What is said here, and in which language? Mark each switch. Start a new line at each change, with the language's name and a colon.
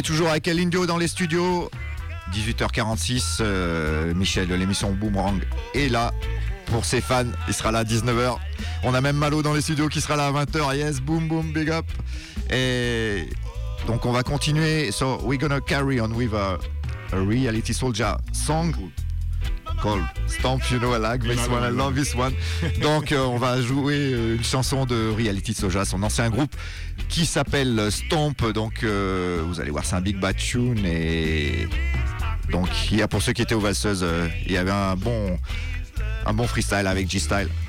French: Avec Aline Dio dans les studios, 18h46, Michel de l'émission Boomerang est là pour ses fans, il sera là à 19h. On a même Malo dans les studios qui sera là à 20h, yes, boom boom, big up. Et donc on va continuer,
English: so we're gonna carry on with a Reality Soldier song called Stomp, you know I like this one,
French: I love this one. Donc on va jouer une chanson de Reality Soldier, son ancien groupe, qui s'appelle Stomp. Donc vous allez voir, c'est un
English: big bad tune.
French: Et donc il y a, pour ceux qui étaient aux valseuses, il y avait un bon freestyle avec G-Style.